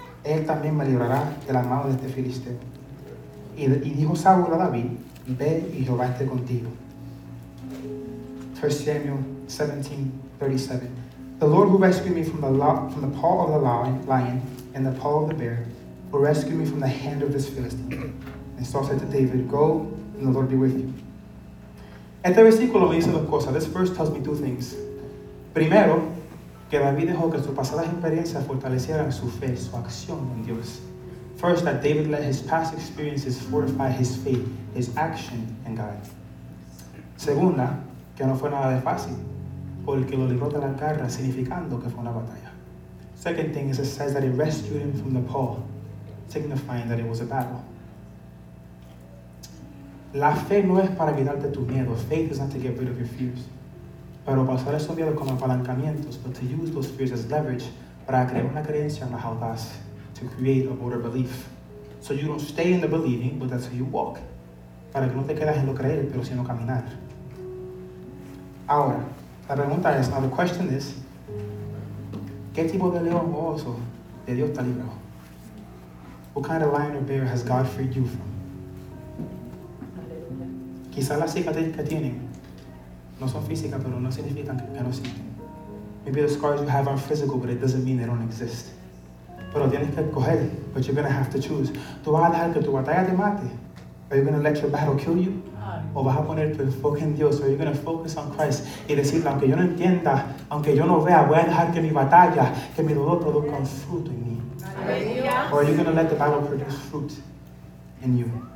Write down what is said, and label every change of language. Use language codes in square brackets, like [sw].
[es] Él también me librará de la mano de este filisteo. Y dijo Saúl a David, ve y Jehová esté contigo. [en] 1 Samuel 17:37. The Lord who rescued me from the paw of the lion and the paw of the bear, who rescued me from the hand of this Philistine. And Saul said to David, go, and the Lord be with you. [es] Este versículo me dice dos cosas. [en] This verse tells me two things. [es] Primero, que David dejó que sus pasadas experiencias fortalecieran su fe, su acción en Dios. [en] First, that David let his past experiences fortify his faith, his action in God. [es] Segunda, que no fue nada de fácil, porque lo libró de la garra, significando que fue una batalla. [en] Second thing is it says that he rescued him from the paw, signifying that it was a battle. [es] La fe no es para quitarte tus miedos. [en] Faith is not to get rid of your fears. [es] Pero para usar esos miedos como apalancamientos, [en] but to use those fears as leverage [es] para crear una creencia más audaz, [en] to create a bolder belief. So you don't stay in the believing, but that's how you walk. [es] Para que no te quedas en lo creer, pero sino caminar. Ahora, la pregunta es, [en] now the question is, [es] ¿qué tipo de león o oso de Dios te libró? [en] What kind of lion or bear has God freed you from? [es] Quizás las cicatrices que tienen no son físicas, pero no significan que no existen. [en] Maybe the scars you have are physical, but it doesn't mean they don't exist. [es] Pero tienes que escoger, [en] but you're going to have to choose. [es] ¿Tú vas a dejar que tu batalla te mate? [en] Are you going to let your battle kill you? [es] ¿O vas a poner tu enfoque en Dios? [en] Are you going to focus on Christ? [es] Y decir, aunque yo no entienda, aunque yo no vea, voy a dejar que mi batalla, que mi dolor produzca un fruto en mí. [en] Or are you going to let the battle produce fruit in you?